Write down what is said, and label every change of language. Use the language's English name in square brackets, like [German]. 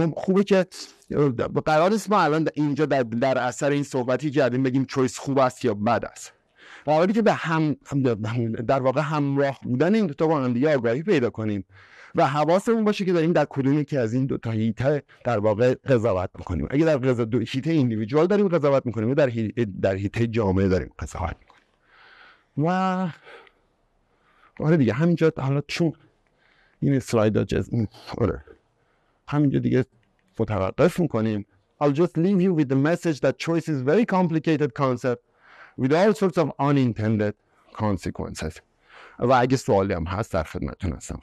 [Persian] و خوبه که قرار نیست ما الان اینجا در اثر این صحبتی کردیم بگیم چویس خوب است یا بد است، قراره که به همراه بودن این دوتا با هم دیگه آگاهی پیدا کنیم و حواسمون باشه که داریم در کدومی که از این دو تا هیته در واقع قضاوت میکنیم. اگه در هیته اندیویجوال داریم قضاوت میکنیم و در هیته جامعه داریم قضاوت میکنیم. و آره دیگه همینجا حالا چون این سلاید ها آره همینجا دیگه متوقف میکنیم. [English] I'll just leave you with the message that choice is a very complicated concept with all sorts of unintended consequences. [Persian] و اگه سوالی هم هست در خدمتون هستم.